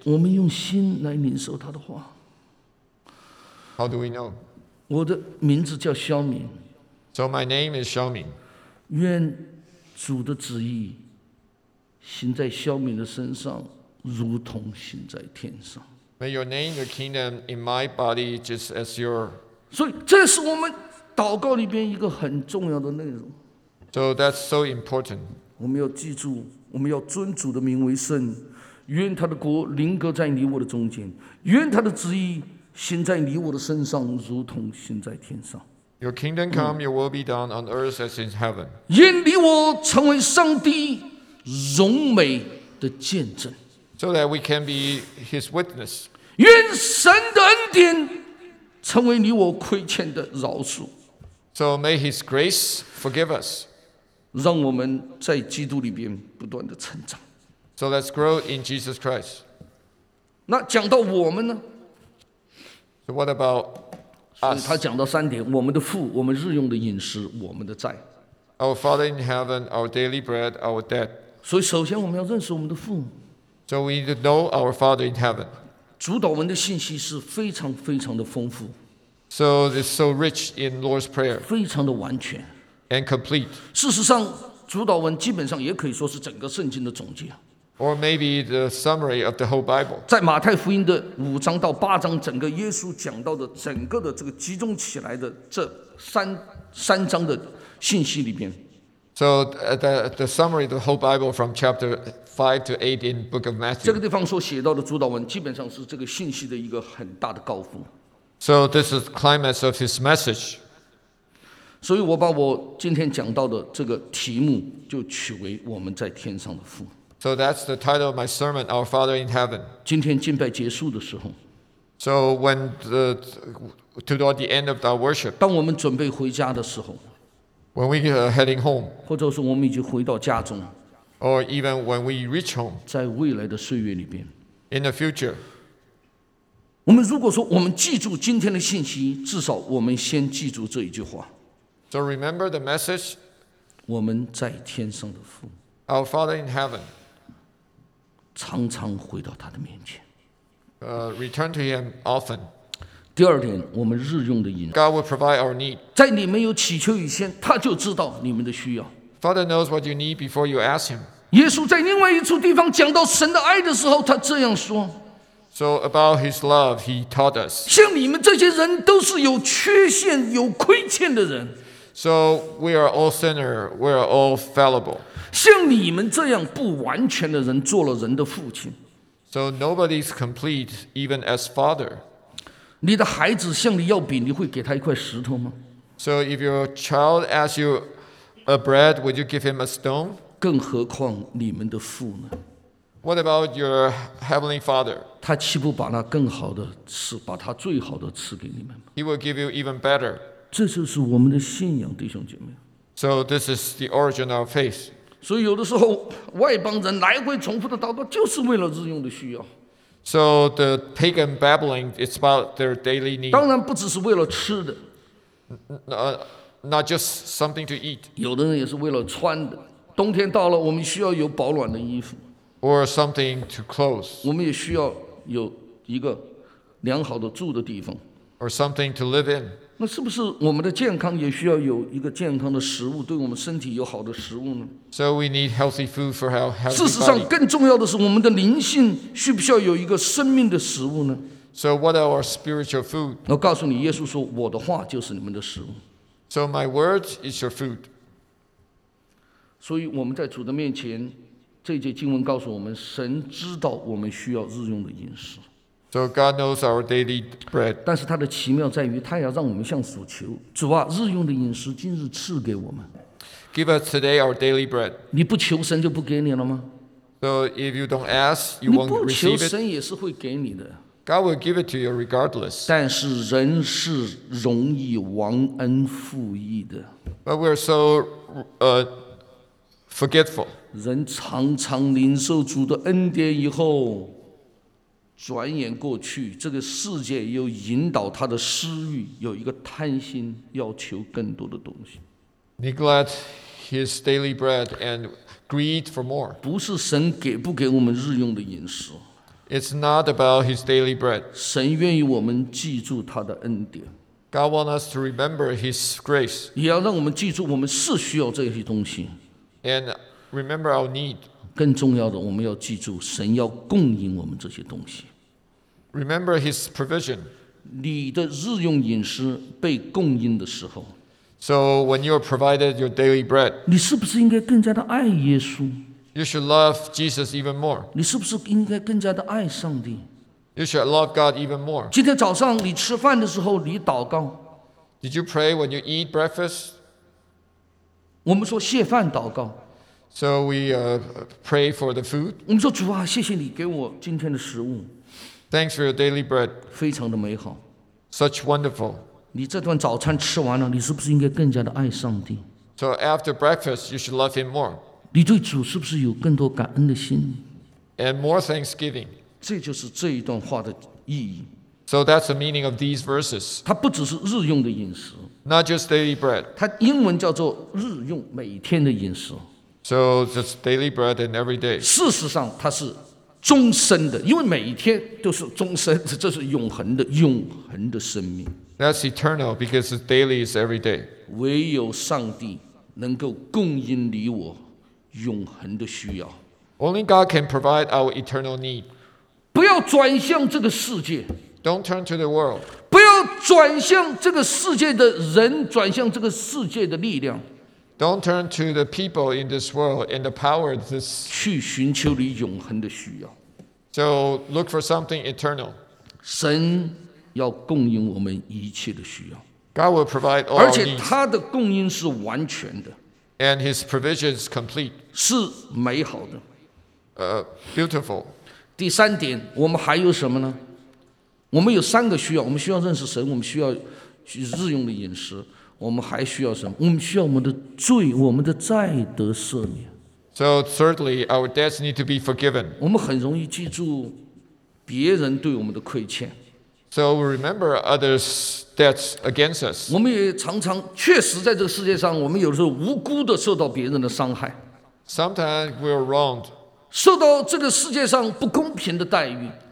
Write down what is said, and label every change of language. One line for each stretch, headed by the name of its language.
Chinese: 我们用心来领受他的话。
English: How do we know?
Chinese: 我的名字叫肖敏。
English: So my name is 肖敏。
Chinese: 愿主的旨意行在肖敏的身上，如同行在天上。
English: May your name, your kingdom, in my body, just as your.
Chinese: 所以，这是我们祷告里边一个很重要的内容。
English: So that's so important.
Chinese: 我们要记住，我们要尊主的名为圣，愿他的国临格在你我的中间，愿他的旨意行在你我的身上，如同行在天上。
English: Your kingdom come, your will be done on earth as in heaven.
Chinese: 愿你我成为上帝荣美的见证。
English: So that we can be his witness.
Chinese: 愿神的恩典成为你我亏欠的饶恕。
English: So may his grace forgive us.
Chinese: 让我们在基督里边不断的成长。
English: So let's grow in Jesus Christ.
Chinese: 那讲到我们呢？
English: So what about...
Chinese: 他讲到三点，我们的父，我们日用的饮食，我们的债。
English: Our Father in heaven, our daily bread, our debt.
Chinese: 所以首先我们要认识我们的父。
English: So we need to know our Father in heaven.
Chinese: 主导文的信息是非常非常的丰富。
English: So it's so rich in Lord's Prayer.
Chinese: 非常的完全。
English: And complete.
Chinese: 事实上，主导文基本上也可以说是整个圣经的总结。
English: Or maybe the summary of the whole Bible.
Chinese: 在马太福音的五章到八章，整个耶稣讲到的整个的这个集中起来的这三章的信息里边。
English: So the summary of the whole Bible from chapter 5 to 8 in book of Matthew.
Chinese: 这个地方所写到的主导文基本上是这个信息的一个很大的高峰。
English: So this is the climax of his message.
Chinese: 所以我把我今天讲到的这个题目就取为我们在天上的父。
English: So that's the title of my sermon, Our Father in Heaven.
Chinese: 今天敬拜结束的时候。
English: So when toward the end of our worship.
Chinese: 当我们准备回家的时候。
English: When we are heading home.
Chinese: 或者是我们已经回到家中。
English: Or even when we reach home.
Chinese: 在未来的岁月里边。
English: In the future.
Chinese: 我们如果说我们记住今天的信息，至少我们先记住这一句话。
English: So remember the message.
Chinese: 我们在天上的父。
English: Our Father in Heaven.
Chinese: 常常回到他的面前。
English: Return to him often.
Chinese: 第二点，我们日用的饮食。
English: God will provide our need.
Chinese: 在你们有祈求以前，他就知道你们的需要。
English: Father knows what you need before you ask him.
Chinese: 耶稣在另外一处地方讲到神的爱的时候，他这样说。
English: So about his love, he taught us.
Chinese: 像你们这些人都是有缺陷、有亏欠的人。
English: So we are all sinner, we are all fallible.
Chinese: 像你们这样不完全的人做了人的父亲。
English: So nobody's complete even as father.
Chinese: 你的孩子向你要饼，你会给他一块石头吗？
English: So if your child asks you a bread, would you give him a stone?
Chinese: 更何况你们的父呢？
English: What about your Heavenly Father?
Chinese: 他岂不把那更好的赐，把他最好的赐给你们吗？
English: He will give you even better.
Chinese: 这就是我们的信仰，弟兄姐妹。
English: So this is the origin of faith.
Chinese: 所以有的时候，外邦人来回重复的祷告，就是为了日用的需要。
English: So the pagan babbling, it's about their daily need.
Chinese: 当然不只是为了吃的。
English: Not just something to eat.
Chinese: 有的人也是为了穿的。冬天到了，我们需要有保暖的衣服。
English: Or something to close.
Chinese: 我们也需要有一个良好的住的地方。
English: Or something to live in.
Chinese: 那是不是我们的健康也需要有一个健康的食物，对我们身体有好的食物呢？
English: So we need healthy food for our healthy body.
Chinese: 事实上，更重要的是我们的灵性需不需要有一个生命的食物呢？
English: So what are our spiritual food?
Chinese: 我告诉你，耶稣说，我的话就是你们的食物。
English: So my words is your food.
Chinese: 所以我们在主的面前，这节经文告诉我们，神知道我们需要日用的饮食。
English: So God knows our daily bread.
Chinese: 但是他的奇妙在于，他要让我们向主求，主啊，日用的饮食今日赐给我们。
English: Give us today our daily bread.
Chinese: 你不求神就不给你了吗？
English: So if you don't ask, you won't receive it.
Chinese: 你不求神也是会给你的。
English: God will give it to you regardless.
Chinese: 但是人是容易忘恩负义的。
English: But we are so forgetful.
Chinese: 人常常领受主的恩典以后，转眼过去，这个世界又引导他的私欲，有一个贪心，要求更多的东西。
English: Neglect his daily bread and greed for more.
Chinese: 不是神给不给我们日用的饮食。
English: It's not about his daily bread.
Chinese: 神愿意我们记住他的恩典。
English: God wants us to remember his grace.
Chinese: 也要让我们记住我们是需要这些东西。
English: And remember our need.
Chinese: 更重要的，我们要记住神要供应我们这些东西。
English: Remember his provision.
Chinese: 你的日用饮食被供应的时候。
English: So when you are provided your daily bread.
Chinese: 你是不是应该更加的爱耶稣？
English: You should love Jesus even more.
Chinese: 你是不是应该更加的爱上帝？
English: You should love God even more.
Chinese: 今天早上你吃饭的时候你祷告。
English: Did you pray when you eat breakfast?
Chinese: 我们说谢饭祷告。
English: So we pray for the food.
Chinese: 我们说主啊，谢谢你给我今天的食物。
English: Thanks for your daily bread.
Chinese: 非常的美好。
English: Such wonderful.
Chinese: 你这顿早餐吃完了，你是不是应该更加的爱上帝？
English: So after breakfast, you should love him more.
Chinese: 你对主是不是有更多感恩的心？
English: And more thanksgiving.
Chinese: 这就是这一段话的意义。
English: So that's the meaning of these verses.
Chinese: 它不只是日用的饮食。
English: Not just daily bread.
Chinese: 它英文叫做日用每天的饮食。
English: So just daily bread and every day.
Chinese: 事实上它是终身的，因为每一天都是终身，这是永恒的，永恒的生命。
English: That's eternal because daily is every day.
Chinese: 唯有上帝能够供应你我永恒的需要。
English: Only God can provide our eternal need.
Chinese: 不要转向这个世界。
English: Don't turn to the world.
Chinese: 不要转向这个世界的人，转向这个世界的力量。
English: Don't turn to the people in this world and the power of this.
Chinese: 去寻求你永恒的需要。
English: So look for something eternal.
Chinese: 神要供应我们一切的需要。
English: God will provide all our needs.
Chinese: 而且他的供应是完全的。
English: And his provision is complete.
Chinese: 是美好的。
English: Beautiful.
Chinese: 第三点，我们还有什么呢？我们有三个需要，我们需要认识神，我们需要日用的饮食，我们还需要什么？我们需要我们的罪，我们的债得赦免。
English: So thirdly, our debts need to be forgiven.
Chinese: 我们很容易记住别人对我们的亏欠。
English: So we remember others' debts against us.
Chinese: 我们也常常确实在这个世界上，我们有时候无辜的受到别人的伤害。
English: Sometimes we are wronged.
Chinese: 受到这个世界上不公平的待遇。